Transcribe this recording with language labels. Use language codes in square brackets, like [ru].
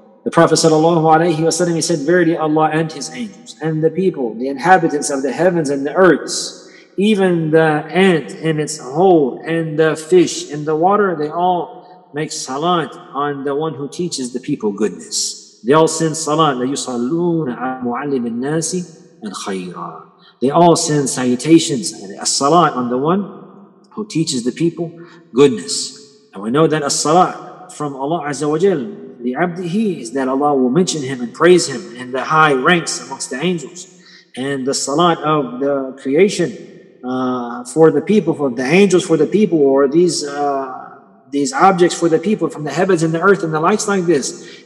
[en] The Prophet sallallahu alayhi wa sallam, he said, verily Allah and his angels and the people, the inhabitants of the heavens and the earths, even the ant in its hole and the fish in the water, they all make salat on the one who teaches the people goodness. They all send salat, [ar] ليصلون على معلم الناس الخير. [en] They all send salutations and as-salat on the one who teaches the people goodness. And we know that as-salah from Allah Azza wa Jal, the abdihi, is that Allah will mention him and praise him in the high ranks amongst the angels. And the salat of the creation for the people, for the angels, for the people, or these objects for the people from the heavens and the earth and the likes like this.